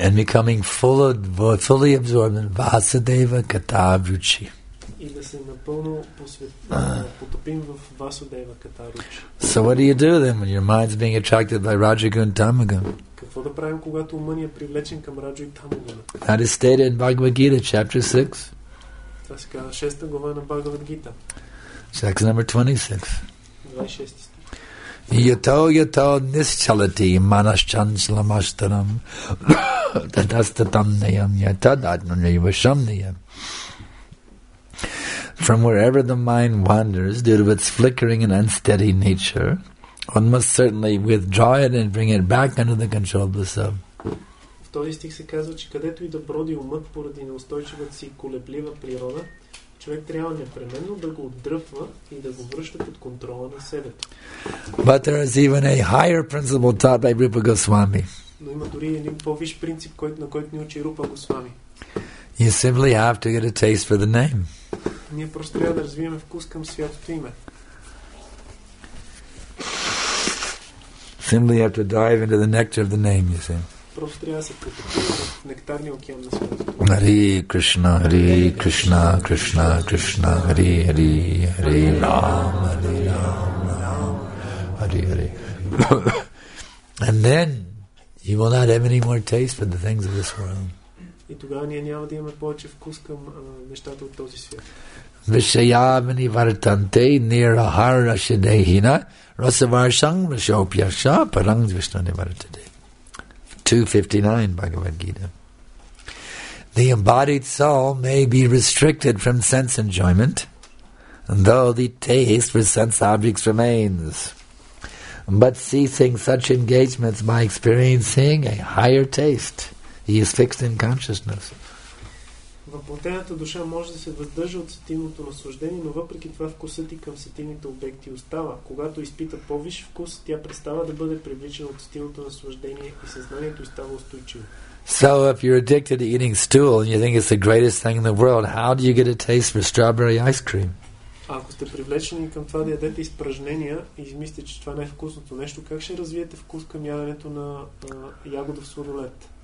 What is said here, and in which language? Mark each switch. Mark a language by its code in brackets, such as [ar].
[en] And becoming fully absorbed in Vasudeva Katavruchi. [bg] И да се напълно потопим в Васудева Катаруч. [en] So what do you do then when your mind's being attracted by Rajagun Tamagun? [bg] Какво да правим, когато умът ни е привлечен към Раджа и Тамагуна? [en] That is stated in Bhagavad Gita, chapter 6. [bg] Това се казва 6-та глава на Бхагавад Гита. [en] Sex number 26. [sa] Yato yato nischalati manaschanchalamashtaram tadastatam nayam yatadatnu nayivasham nayam. [en] From wherever the mind wanders due to its flickering and unsteady nature, one must certainly withdraw it and bring it back under the control of the sub. [bg] В този стих се казва, че където и да броди умът поради неустойчивата си колеблива природа, човек трябва непременно да го отдръпва и да го връща под контрола на себе. [en] But there is even a higher principle taught by Rupa Goswami. [bg] Но има дори един по-виш принцип, на който ни учи Рупа Госвами. [en] You simply have to get a taste for the name. [bg] Ние просто трябва да развиваме вкус към святото име. [en] Simply have to dive into the nectar of the name, you see. [bg] Просто трябва да се потопим в нектарния океан на святото име. [sa] Hare Krishna, Krishna, Krishna, Hare Hare, Hare Ram, Hare Ram, Ram, Hare Hare. [en] And then you will not have any more taste for the things of this world. [bg] И тогава ние няма да имаме повече вкус към нещата от този свят. [sa] Vishayavani vartante nirahara shidehina rasavarsang vishopyasha parang vishnani vartate. [en] 259 Bhagavad Gita. The embodied soul may be restricted from sense enjoyment, though the taste for sense objects remains. But ceasing such engagements by experiencing a higher taste, he is fixed in consciousness. [bg] Въплътената душа може да се въздържа от сетивното наслаждение, но въпреки това вкусът и към сетивните обекти остава. Когато изпита по-виш вкус, тя престава да бъде привличана от сетивното наслаждение и съзнанието и става устойчиво. [en] So if you're addicted to eating stool and you think it's the greatest thing in the world, how do you get a taste for strawberry ice cream? [bg] Ако сте привлечени към това да ядете изпражнения и измислите, че това не е вкусното нещо, как ще развиете вкус към яденето на ягодов суролет?